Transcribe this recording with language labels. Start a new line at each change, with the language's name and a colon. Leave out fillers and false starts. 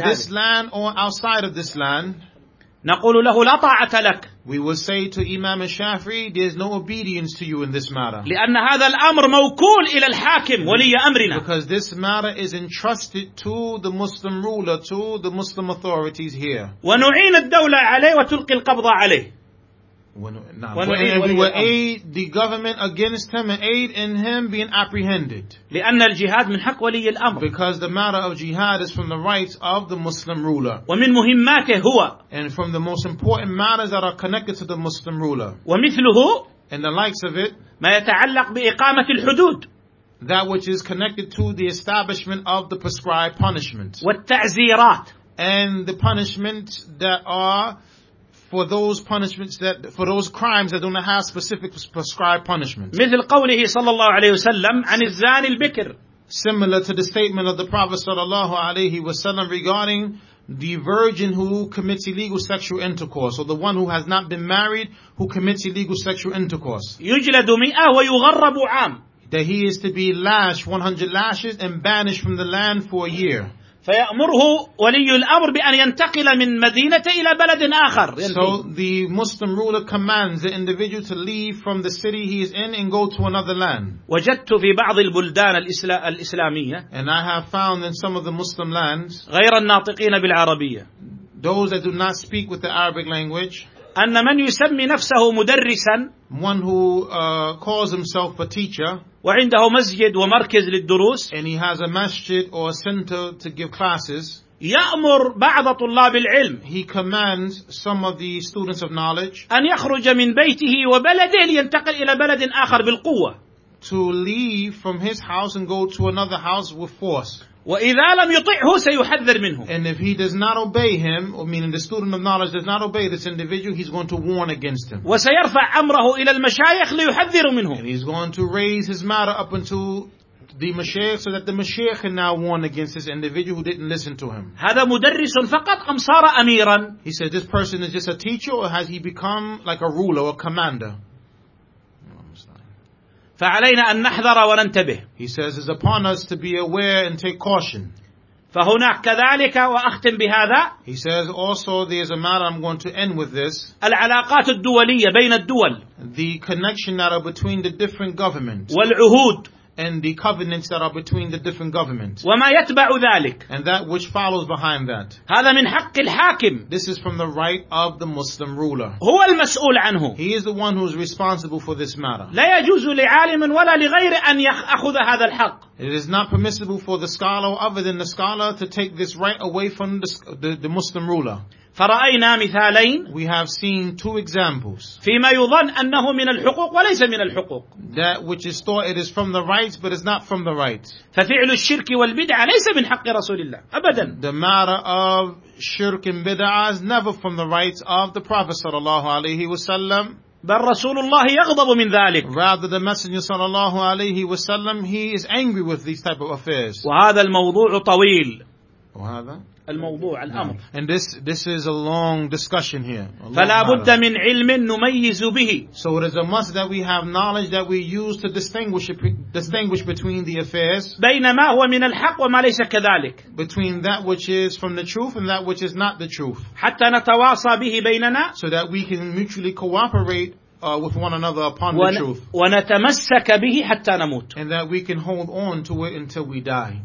English: In this land or outside of this land.
Arabic: نقول له لا طاعة لك.
English: We will say to Imam al-Shafi'i, there is no obedience to you in this matter.
Arabic: لأن هذا الأمر موكول إلى الحاكم ولي أمرنا.
English: Because this matter is entrusted to the Muslim ruler, to the Muslim authorities here.
Arabic: ونعين الدولة عليه وتلقي القبض عليه.
English: And we will aid the government against him and aid in him being apprehended.
Arabic: لأن الجهاد من حق ولي الأمر.
English: Because the matter of jihad is from the rights of the Muslim ruler.
Arabic: ومن مهماته هو.
English: And from the most important matters that are connected to the Muslim ruler.
Arabic: ومثله.
English: And the likes of it.
Arabic: ما يتعلق بإقامة الحدود.
English: That which is connected to the establishment of the prescribed punishments.
Arabic: والتعزيرات.
English: And the punishments that are for those punishments that for those crimes that do not have specific prescribed punishments.
Arabic: مثل قوله صلى الله عليه وسلم عن الزاني البكر.
English: Similar to the statement of the Prophet صلى الله عليه وسلم regarding the virgin who commits illegal sexual intercourse or the one who has not been married who commits illegal sexual intercourse.
Arabic: يجلد مئة ويغرب عام.
English: that he is to be lashed 100 lashes and banished from the land for a year.
Arabic: فيأمره ولي الأمر بأن ينتقل من مدينة إلى بلد آخر.
English: So the Muslim ruler commands the individual to leave from the city he is in and go to another land.
Arabic: وجدت في بعض البلدان الإسلامية.
English: And I have found in some of the Muslim lands.
Arabic: غير الناطقين بالعربية.
English: Those that do not speak with the Arabic language.
Arabic: أن من يسمي نفسه مدرسا.
English: One who calls himself a teacher.
Arabic: وعنده مسجد ومركز للدروس.
English: And he has a masjid or a center to give classes.
Arabic: يأمر بعض طلاب العلم.
English: He commands some of the students of knowledge.
Arabic: أن يخرج من بيته وبلده لينتقل إلى بلد آخر بالقوة.
English: To leave from his house and go to another house with force.
Arabic: وإذا لم يطعه سيحذر منه.
English: And if he does not obey him, or meaning the student of knowledge does not obey this individual, he's going to warn against him.
Arabic: وسيرفع أمره إلى المشايخ ليحذر منه.
English: And he's going to raise his matter up into the mashayikh so that the mashayikh can now warn against this individual who didn't listen to him.
Arabic: هذا مدرس فقط أم صار أميرا؟
English: He said, this person is just a teacher, or has he become like a ruler or a commander?
Arabic: فعلينا أن نحذر وننتبه.
English: He says it's upon us to be aware and take caution.
Arabic: فهناك كذلك وأختم بهذا.
English: He says also there's a matter I'm going to end with this.
Arabic: العلاقات الدولية بين الدول.
English: The connection that are between the different governments.
Arabic: والعهود.
English: And the covenants that are between the different governments.
Arabic: وما يتبع ذلك.
English: And that which follows behind that.
Arabic: هذا من حق الحاكم.
English: This is from the right of the Muslim ruler.
Arabic: هو المسؤول عنه.
English: He is the one who is responsible for this matter.
Arabic: لا يجوز لعالم ولا لغير أن يأخذ هذا الحق.
English: It is not permissible for the scholar or other than the scholar to take this right away from the Muslim ruler.
Arabic: فرأينا مثالين.
English: We have seen two examples.
Arabic: فيما يظن أنه من الحقوق وليس من الحقوق.
English: That which is thought it is from the rights but it's not from the rights.
Arabic: ففعل الشرك والبدعة ليس من حق رسول الله أبدا.
English: The matter of shirk and bid'ah is never from the rights of the Prophet صلى الله عليه وسلم.
Arabic: بل رسول الله يغضب من ذلك.
English: Rather the Messenger صلى الله عليه وسلم he is angry with these type of affairs.
Arabic: وهذا الموضوع طويل. وهذا. الموضوع الأمر.
English: And this is a long discussion here.
Arabic: فلا بد من علم نميز به.
English: So it is a must that we have knowledge that we use to distinguish between the affairs.
Arabic: بين ما هو من الحق وما ليس كذلك.
English: Between that which is from the truth and that which is not the truth.
Arabic: حتى نتواصى به بيننا.
English: So that we can mutually cooperate with one another upon the truth.
Arabic: ونتمسك به حتى نموت.
English: And that we can hold on to it until we die.